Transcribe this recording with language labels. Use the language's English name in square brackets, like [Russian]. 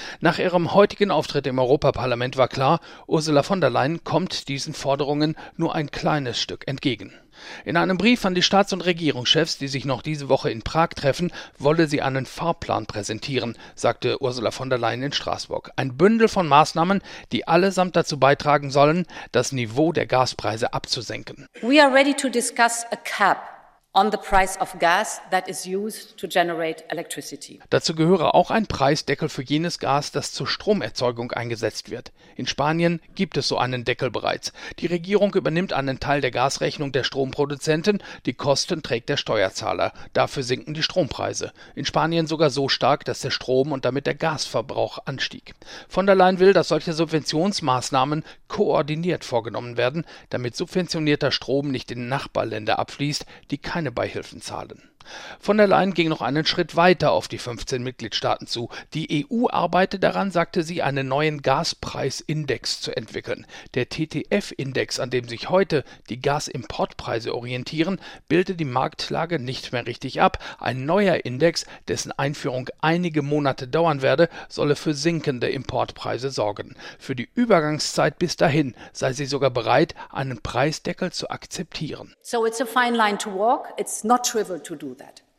[German] Nach ihrem heutigen Auftritt im Europaparlament war klar, Ursula von der Leyen kommt diesen Forderungen nur ein kleines Stück entgegen. In einem Brief an die Staats- und Regierungschefs, die sich noch diese Woche in Prag treffen, wolle sie einen Fahrplan präsentieren, sagte Ursula von der Leyen in Straßburg. Ein Bündel von Maßnahmen, die allesamt dazu beitragen sollen, das Niveau der Gaspreise abzusenken. [English] We are ready to discuss a cap on the price of gas that is used to generate electricity. [German] Dazu gehöre auch ein Preisdeckel für jenes Gas, das zur Stromerzeugung eingesetzt wird. In Spanien gibt es so einen Deckel bereits. Die Regierung übernimmt einen Teil der Gasrechnung der Stromproduzenten, die Kosten trägt der Steuerzahler. Dafür sinken die Strompreise. In Spanien sogar so stark, dass der Strom und damit der Gasverbrauch anstieg. Von der Leyen will, dass solche Subventionsmaßnahmen koordiniert vorgenommen werden, damit subventionierter Strom nicht in Nachbarländer abfließt, die keine Beihilfen zahlen. Von der Leyen ging noch einen Schritt weiter auf die 15 Mitgliedstaaten zu. Die EU arbeite daran, sagte sie, einen neuen Gaspreisindex zu entwickeln. Der TTF-Index, an dem sich heute die Gasimportpreise orientieren, bilde die Marktlage nicht mehr richtig ab. Ein neuer Index, dessen Einführung einige Monate dauern werde, solle für sinkende Importpreise sorgen. Für die Übergangszeit bis dahin sei sie sogar bereit, einen Preisdeckel zu akzeptieren. [English] So it's a fine line to walk, it's not trivial to do that.